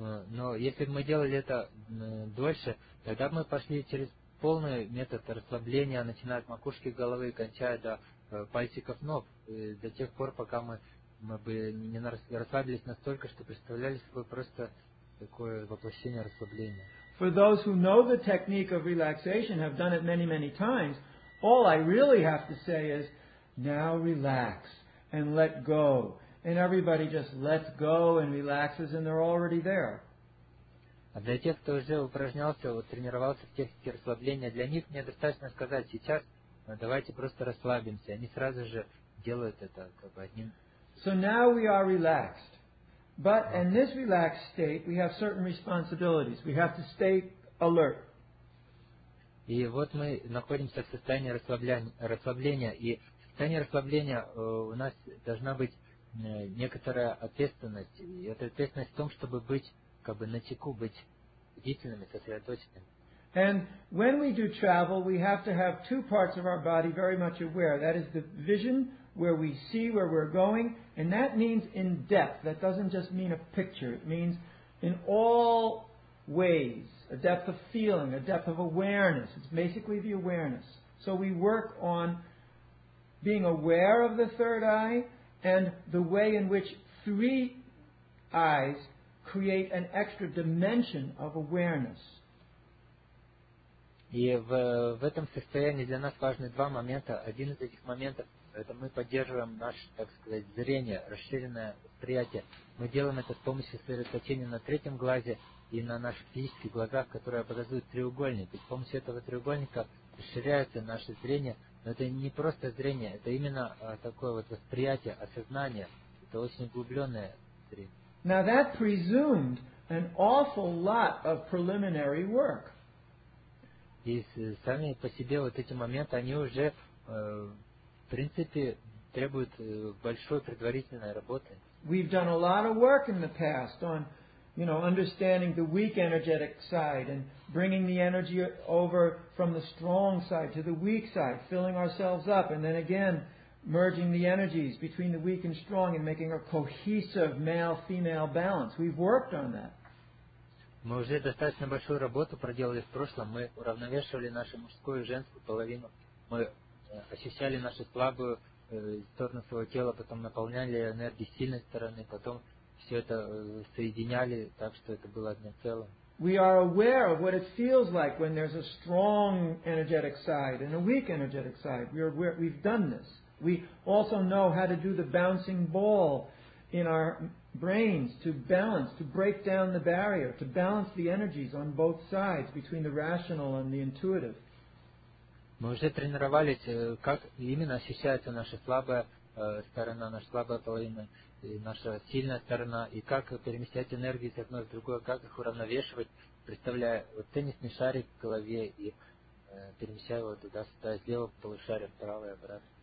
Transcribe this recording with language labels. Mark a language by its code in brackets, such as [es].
[ru] Но если бы мы делали это дольше, тогда бы мы пошли через полный метод расслабления, начиная от макушки головы и кончая до пальчиков ног, до тех пор, пока мы бы не расслабились настолько, что представляли собой просто такое воплощение расслабления. [en] For those who know the technique of relaxation have done it many, many times, all I really have to say is Now relax and let go. And everybody just lets go and relaxes and they're already there. [ru] А для тех, кто уже упражнялся, вот, тренировался в технике расслабления, для них мне достаточно сказать сейчас, давайте просто расслабимся. Они сразу же делают это как бы одним. [en] So now we are relaxed. But in this relaxed state, we have certain responsibilities. We have to stay alert. [ru] И вот мы находимся в состоянии расслабления. И в состоянии расслабления у нас должна быть некоторая ответственность. И эта ответственность в том, чтобы быть как бы начеку, быть бдительными, сосредоточенными. [en] And when we do travel, we have to have two parts of our body very much aware. That is the vision, where we see where we're going, and that means in depth. That doesn't just mean a picture. It means in all ways, a depth of feeling, a depth of awareness. It's basically the awareness. So we work on being aware of the third eye and the way in which three eyes create an extra dimension of awareness. [ru] И в этом состоянии для нас важны два момента. Один из этих моментов – это мы поддерживаем наше, так сказать, зрение, расширенное восприятие. Мы делаем это с помощью сосредоточения на третьем глазе и на наших физических глазах, которые образуют треугольник. И с помощью этого треугольника расширяется наше зрение. Но это не просто зрение, это именно такое вот восприятие, осознание. Это очень углубленное зрение. [en] Now that presumed an awful lot of preliminary work. [ru] И сами по себе вот эти моменты, они уже, в принципе, требуют большой предварительной работы. [en] We've done a lot of work in the past on, you know, understanding the weak energetic side and bringing the energy over from the strong side to the weak side, filling ourselves up, and then again, merging the energies between the weak and strong and making a cohesive male-female balance. We've worked on that. [ru] Мы уже достаточно большую работу проделали в прошлом. Мы уравновешивали нашу мужскую и женскую половину. Мы ощущали нашу слабую сторону своего тела, потом наполняли энергией сильной стороны, потом все это соединяли так, что это было одно целое. [en] We are aware of what it feels like when there's a strong energetic side and a weak energetic side. We are aware, we've done this. We also know how to do the bouncing ball in our brains to balance, to break down the barrier, to balance the energies on both sides between the rational and the intuitive. [ru] Мы уже тренировались, как именно ощущается наша слабая сторона, наша слабая половина, наша сильная сторона, и как перемещать энергии с одной в другую, как их уравновешивать, представляя вот теннисный шарик в голове и перемещая его туда-сюда, слева полушарие, вправо и обратно.